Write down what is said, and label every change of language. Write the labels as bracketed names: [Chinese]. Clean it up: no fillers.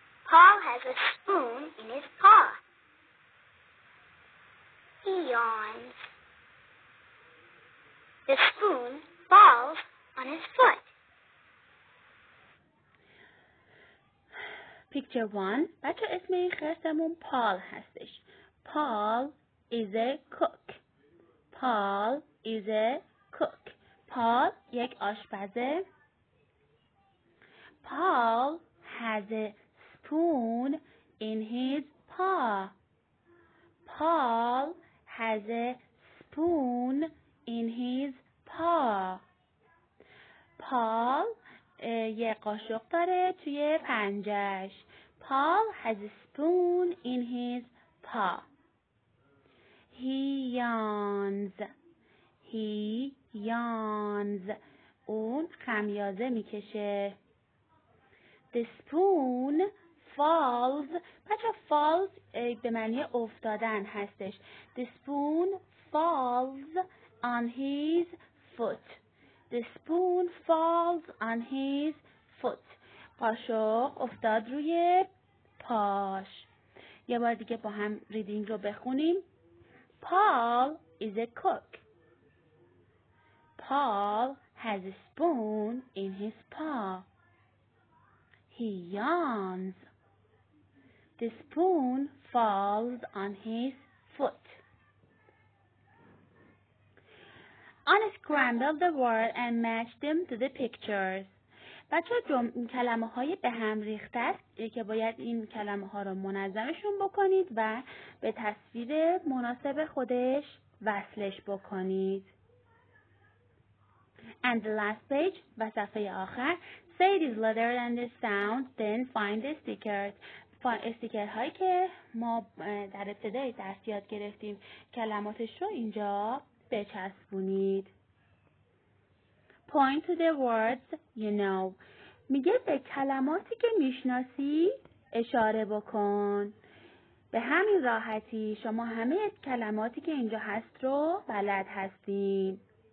[English] Paul has a spoon in his paw. He yawns. The spoon falls on his foot. Picture 1. [Persian] بچه اسم این خرسمون پال هستش. [English] Paul is a cook. Paul is a cook. [Persian] پال یک آشپزه. [English] Paul has a spoon in his paw. Paul has a spoon in his paw. [Persian] Paul یه قاشق داره توی پنجش. [English] Paul has a spoon in his paw. He yawns. He yawns. [Persian] اون خمیازه میکشه. The spoon falls. بچه falls به معنی افتادن هستش. [English] The spoon falls on his foot. The spoon falls on his foot. [Persian] قاشق افتاد روی پاش. یه بار دیگه با هم ریدینگ رو بخونیم. [English] Paul is a cook. Paul has a spoon in his paw. He yawns. The spoon falls on his foot. Unscramble the word and match them to the pictures. [Persian] بچه کلمه های به هم ریخته است که باید این کلمه ها رو منظمشون بکنید و به تصویر مناسب خودش وصلش بکنید. [English] And the last page, و صفحه آخر, say these letters and the sound, then find the stickers. [Persian] استیکر هایی که ما در ابتدای درس یاد گرفتیم کلماتش رو اینجا بچسبونید. [English] Point to the words you know. [Persian] میگه به کلماتی که میشناسی اشاره بکن. به همین راحتی شما همه کلماتی که اینجا هست رو بلد هستید.